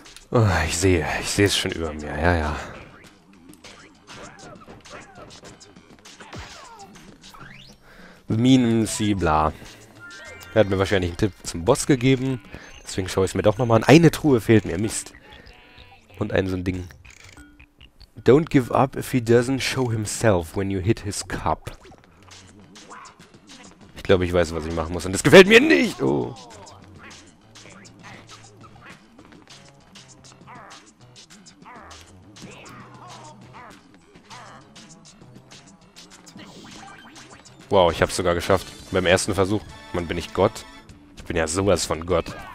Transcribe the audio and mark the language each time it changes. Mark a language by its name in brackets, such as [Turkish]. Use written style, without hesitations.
[German] Oh, ich sehe es schon über mir, ja. Minensibla. Er hat mir wahrscheinlich einen Tipp zum Boss gegeben. Deswegen schaue ich es mir doch nochmal an. Eine Truhe fehlt mir, Mist. Und ein so ein Ding. [English] Don't give up if he doesn't show himself when you hit his cup. [German] Ich glaube, ich weiß, was ich machen muss. Und das gefällt mir nicht! Oh. Wow, ich habe es sogar geschafft. Beim ersten Versuch. Mann, bin ich Gott? Ich bin ja sowas von Gott.